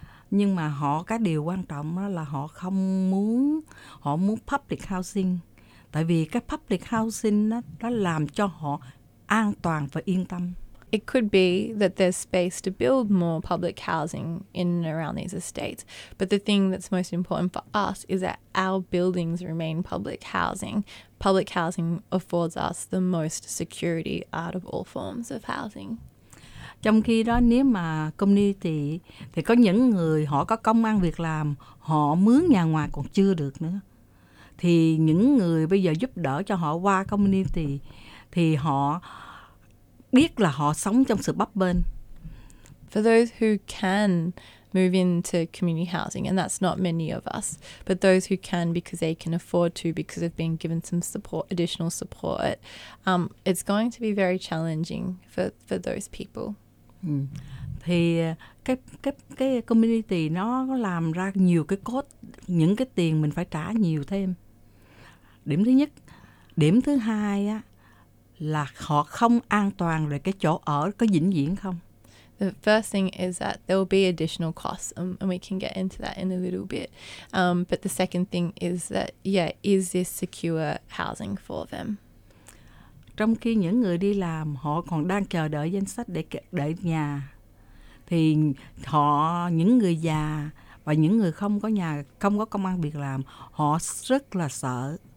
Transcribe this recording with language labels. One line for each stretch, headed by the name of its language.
Vietnamese: Nhưng mà họ cái điều quan trọng là họ không muốn, họ muốn public housing. Tại vì cái public housing đó làm cho họ an toàn và yên tâm.
English: It could be that there's space to build more public housing in and around these estates. But the thing that's most important for us is that our buildings remain public housing. Public housing affords us the most security out of all forms of housing.
Vietnamese: Trong khi đó, nếu mà community thì có những người họ có công ăn việc làm, họ mướn nhà ngoài còn chưa được nữa. thì những người bây giờ giúp đỡ cho họ qua community thì họ biết là họ sống trong sự bấp bênh.
English: For those who can move into community housing, and that's not many of us, but those who can because they can afford to because they've been given some support, additional support, it's going to be very challenging for those people.
Vietnamese: Thì cái community nó làm ra nhiều cái cost, những cái tiền mình phải trả nhiều thêm. Điểm thứ nhất. Điểm thứ hai á, là họ không an toàn rồi cái chỗ ở có vĩnh viễn không?
English: The first thing is that there will be additional costs, and we can get into that in a little bit. But the second thing is that, yeah, is this secure housing for them?
Vietnamese: Trong khi những người đi làm, họ còn đang chờ đợi danh sách để đợi nhà. Thì họ, những người già và những người không có nhà, không có công ăn việc làm, họ rất là sợ.